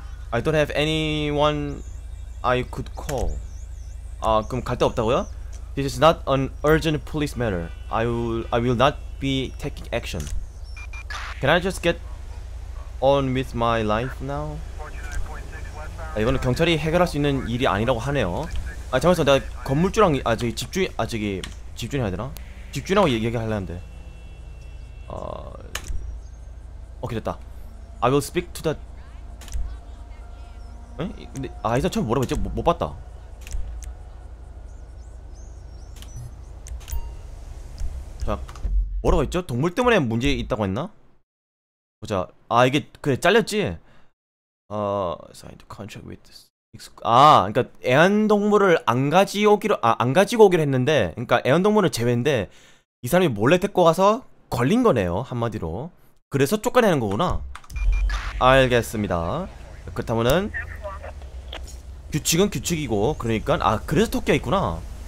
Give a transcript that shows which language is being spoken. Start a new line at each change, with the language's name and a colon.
English: I don't have anyone I could call.
Korean: 아 그럼 갈 데 없다고요?
English: This is not an urgent police matter. I will not be taking action. Can I just get on with my life now?
Korean: 아, 이거는 경찰이 해결할 수 있는 일이 아니라고 하네요. 아 잠시만 내가 건물주랑 아 저기 집주인 아 저기 집주인 해야 되나? 집주인하고 얘기하려는데. 오케이 됐다.
English: I will speak to the
Korean: 응? 근데 아 이사 처음 뭐라고 했지? 못 봤다. 자 뭐라고 했죠? 동물 때문에 문제 있다고 했나? 보자. 아 이게 그래 잘렸지?
English: signed contract with this.
Korean: 아 그러니까 애완동물을 안 가져오기로 아 안 가지고 오기로 했는데 그러니까 애완동물을 제외인데 이 사람이 몰래 데리고 와서 걸린 거네요 한마디로. 그래서 쫓겨내는 거구나. 알겠습니다. 그렇다면은 규칙은 규칙이고 그러니까 아 그래서 토끼가 있구나.